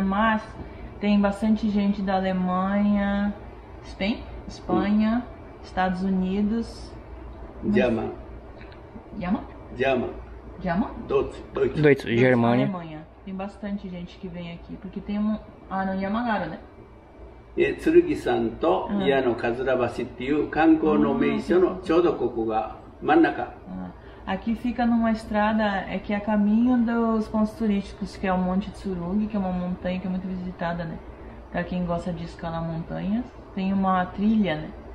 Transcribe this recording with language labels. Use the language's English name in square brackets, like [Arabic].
[Portuguese] Mas tem bastante gente da Alemanha, Espanha, Estados Unidos. [English] German. German? German. [German] Deutsch, Germania. [Portuguese] Alemanha. Tem bastante gente que vem aqui, porque tem um... Ah, não, Yamagara, né? É, [Japanese] Tsurugi-san to Iya no Kazurabashi っていう観光の名所のちょうどここが [Portuguese] Aqui fica numa estrada, é que é caminho dos pontos turísticos, que é o Monte Tsurugi, que é uma montanha que é muito visitada, né? Pra quem gosta de escalar montanhas, tem uma trilha, né?